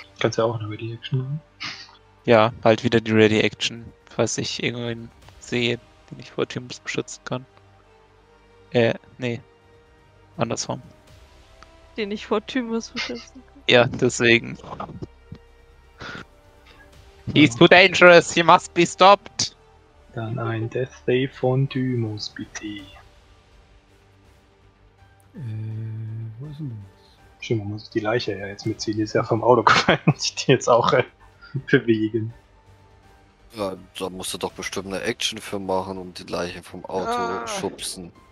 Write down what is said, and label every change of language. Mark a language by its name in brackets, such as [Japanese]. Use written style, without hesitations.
[German] Kannst ja auch eine Ready Action machen. Ja, bald wieder die Ready Action, falls ich irgendwen sehe, den ich vor Teams beschützen kann. Nee. Andersrum. Den ich vor Teams beschützen kann. Ja, deswegen. [English] He's too dangerous, he must be stopped. [German] Dann ein Death Save von Thymus, bitte. Wo ist denn das? Stimmt, man muss die Leiche ja jetzt mitziehen, die ist ja vom Auto gefallen, muss ich die jetzt auch bewegen. Ja, da musst du doch bestimmt eine Action für machen, um die Leiche vom Auto schubsen.